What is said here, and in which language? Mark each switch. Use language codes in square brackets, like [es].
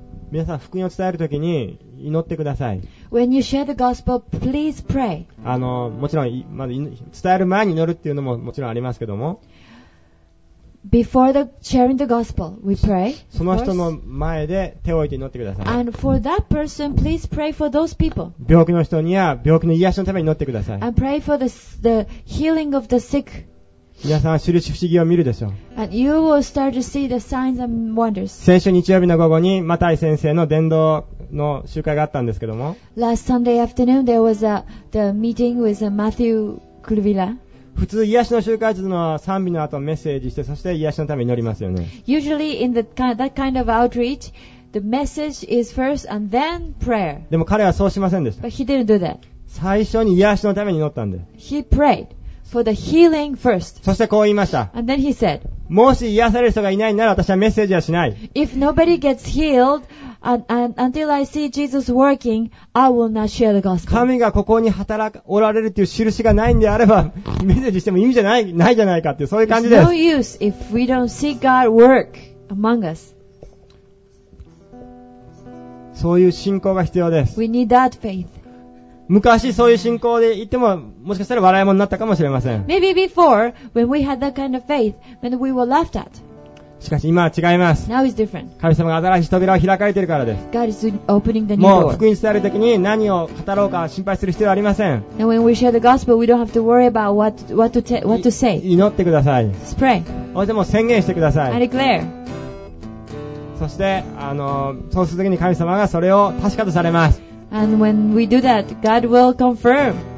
[ja] 皆さん福音を伝えるときに祈ってください。 [en] When you share the gospel, please pray. [ja] もちろん、まず伝える前に祈るっていうのももちろんありますけども。 [en] Before the sharing the gospel, we pray. [ja] その人の前で手を置いて祈ってください。 [en] And for that person, please pray for those people. [ja] 病気の人には病気の癒しのために祈ってください。 [en] And pray for the healing of the sick. [ja] 皆さんは印不思議を見るでしょう。 [en] And you will start to see the signs and wonders. [ja] 先週日曜日の午後にマタイ先生の伝道の集会があったんですけども。 [en] Last Sunday afternoon, there was the meeting with Matthew Kulvila. [ja] 普通癒しの集会というのは賛美の後メッセージして、そして癒しのために祈りますよね。 [en] Usually in that kind of outreach, the message is first and then prayer. [ja] でも彼はそうしませんでした。 [en] But he didn't do that. [ja] 最初に癒しのために祈ったんで。 [en] He prayed for the healing first. [ja] そしてこう言いました。 [en] And then he said, [ja] もし癒される人がいないなら私はメッセージはしない。 [en] If nobody gets healed,And until I see Jesus working, I will not share the gospel. [ja] 神がここに働くおられるっていう印がないんであれば、メッセージしても意味じゃない、ないじゃないかっていう、そういう感じです。 [en] It's no use if we don't see God work among us. [ja] そういう信仰が必要です。 [en] We need that faith. [ja] 昔そういう信仰で言っても、もしかしたら笑い物になったかもしれません。 [en] Maybe before, when we had that kind of faith, then we were laughed at. [ja] しかし今は違います。 [en] Now is different. [ja] 神様が新しい扉を開かれているからです。 [en] God is opening the new door. [ja] もう福音伝える時に何を語ろうか心配する必要はありません。 [en] And when we share the gospel, we don't have to worry about what to say. [ja] 祈ってください。 [en] Pray. [ja] そしてもう宣言してください。 [en] I declare. [ja] そしてそうするときに神様がそれを確かとされます。 [en] And when we do that, God will confirm